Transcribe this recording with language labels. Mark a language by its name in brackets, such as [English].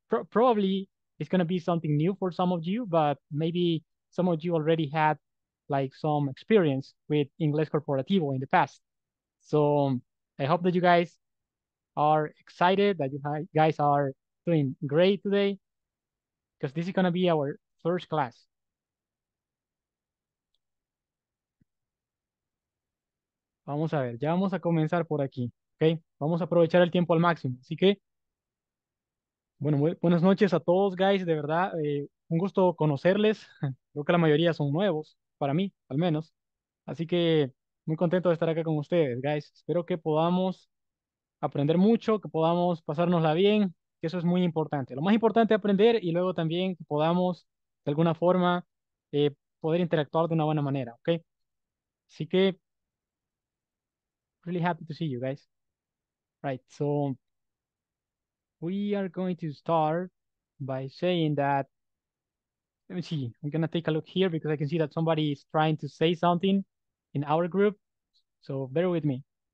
[English] Probably it's going to be something new for some of you, but maybe some of you already had like some experience with Inglés Corporativo in the past. So I hope that you guys are excited, that you guys are doing great today, because this is going to be our first class. [Spanish] Vamos a ver, ya vamos a comenzar por aquí, ¿ok? Vamos a aprovechar el tiempo al máximo, así que, bueno, buenas noches a todos, guys, de verdad, un gusto conocerles, creo que la mayoría son nuevos, para mí, al menos, así que muy contento de estar acá con ustedes, guys, espero que podamos aprender mucho, que podamos pasárnosla bien. Eso es muy importante. Lo más importante es aprender y luego también podamos, de alguna forma, poder interactuar de una buena manera, ¿ok? Así que, [English] really happy to see you guys. Right, so, we are going to start by saying that, let me see, I'm going to take a look here because I can see that somebody is trying to say something in our group, so bear with me.